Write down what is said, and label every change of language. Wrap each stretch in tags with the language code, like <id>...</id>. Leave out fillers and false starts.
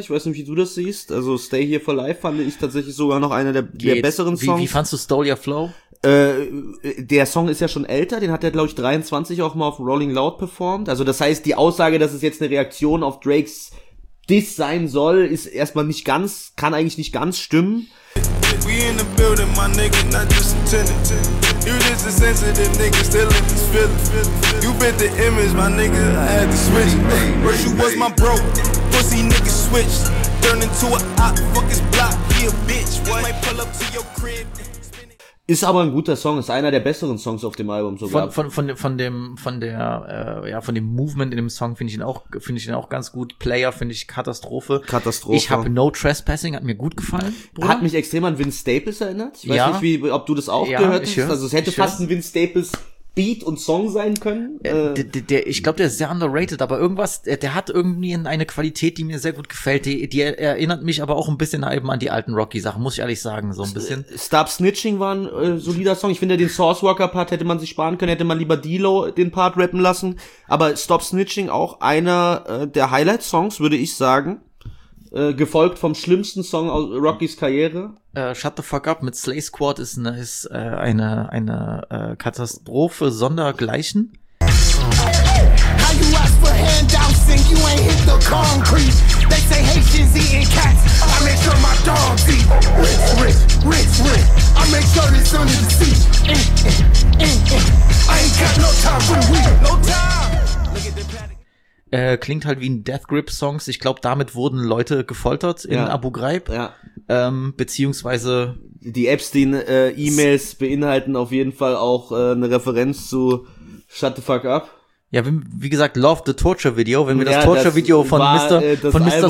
<de>Ich weiß nicht, wie du das siehst. Also Stay Here for Life fand ich tatsächlich sogar noch einer der besseren Songs. Wie fandst du Stole Your Flow? Der Song ist ja schon älter, den hat er, glaube ich, 23 auch mal auf Rolling Loud performt. Also das heißt, die Aussage, dass es jetzt eine Reaktion auf Drakes Diss sein soll, ist erstmal nicht ganz, kann eigentlich nicht ganz stimmen.</de> <en>We in the building, my nigga, not just a tenant. You just a sensitive nigga, still in this feeling. You bent the image, my nigga, I had to switch. First you was my bro, pussy nigga switched. Turn into a hot, fuck his block, he a bitch. Might pull up to your crib.</en> <de>Ist aber ein guter Song, ist einer der besseren Songs auf dem Album sogar. Von dem Movement in dem Song finde ich ihn auch ganz gut. Player finde ich Katastrophe. Katastrophe. Ich habe No Trespassing, hat mir gut gefallen. Bruder. Hat mich extrem an Vince Staples erinnert. Ich weiß nicht, wie, ob du das auch gehört hast. Also es hätte fast ein Vince Staples Beat und Song sein können. Ich glaube, der ist sehr underrated, aber irgendwas, der hat irgendwie eine Qualität, die mir sehr gut gefällt. Die erinnert mich aber auch ein bisschen eben an die alten Rocky-Sachen, muss ich ehrlich sagen, so ein bisschen. Stop Snitching war ein solider Song. Ich finde, den Source Walker-Part hätte man sich sparen können, hätte man lieber D-Lo den Part rappen lassen. Aber Stop Snitching auch einer der Highlight-Songs, würde ich sagen. Gefolgt vom schlimmsten Song aus Rockys Karriere. Shut the fuck up mit Slay Squad ist eine Katastrophe sondergleichen.</de> <en>How you ask for handouts and you ain't hit the concrete. They say Haitians eating cats, I make sure my dogs eat. Rich, rich, rich, rich, I make sure it's under the seat. I ain't got no time for weed, no time.</en> <de>Klingt halt wie ein Death Grip Songs. Ich glaube, damit wurden Leute gefoltert in Abu Ghraib. Ja. Beziehungsweise die Epstein E-Mails beinhalten auf jeden Fall auch eine Referenz zu Shut the Fuck Up. Ja, wie gesagt, Love the Torture Video. Wenn wir das Torture Video von Mr.</de>